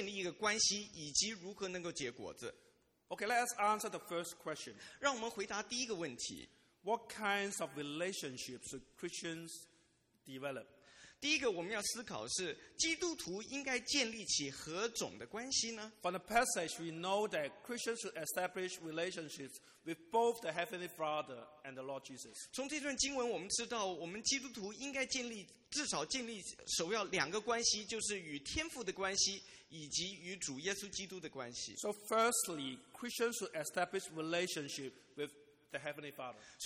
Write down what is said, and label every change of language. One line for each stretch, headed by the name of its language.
Chinese: 所以第一个所要着重的是要如何建立一个关系，以及如何能够结果子。
English: Okay, let us answer the first question.
Chinese: 让我们回答第一个问题。
English: What kinds of relationships should Christians develop?
Chinese: 第一个我们要思考是基督徒应该建立起何种的关系呢?
English: From the passage, we know that Christians should establish relationships with both the Heavenly Father and the Lord Jesus.
Chinese: 从这段经文我们知道，我们基督徒应该建立至少建立首要两个关系，就是与天父的关系以及与主耶稣基督的关系。
English: So firstly, Christians should establish relationship with the Heavenly Father.